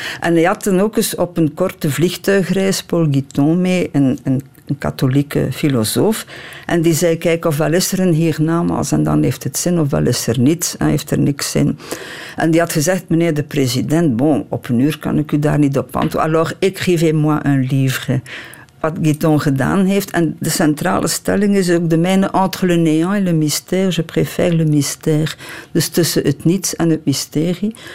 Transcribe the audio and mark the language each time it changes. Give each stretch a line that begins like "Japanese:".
Dutch: En hij had dan ook eens op een korte vliegtuigreis Paul Guiton mee, een katholieke filosoof. En die zei, kijk, ofwel is er een hiernamaals en dan heeft het zin, ofwel is er niets en heeft er niks zin. En die had gezegd, meneer de president, bon, op een uur kan ik u daar niet op antwoorden.
French: Alors, écrivez-moi un livre.
Dutch: Wat Guiton gedaan heeft. En de centrale stelling is ook de mijne,
French: entre le néant et le mystère, je préfère le mystère.
Dutch: Dus tussen het niets en het mysterie.